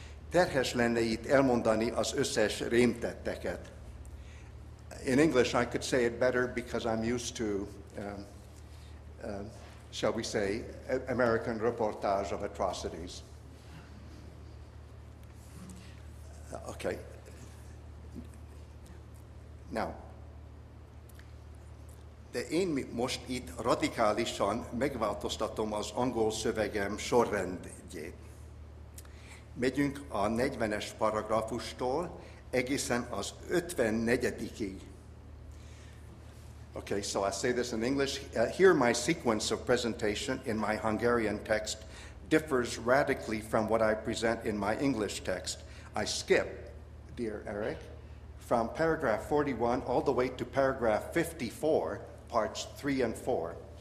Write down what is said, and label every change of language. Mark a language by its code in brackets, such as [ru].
[hu] Terhes lenne itt elmondani az összes rémtetteket. [en] In English, I could say it better because I'm used to, shall we say, American reportage of atrocities. Okay. [hu] Now, de én most itt radikálisan megváltoztatom az angol szövegem sorrendjét. Megyünk a 40-es paragrafustól egészen az 54-ig. [en] Okay, so I say this in English. Here my sequence of presentation in my Hungarian text differs radically from what I present in my English text. I skip, dear Eric, from paragraph 41 all the way to paragraph 54, parts 3 and 4.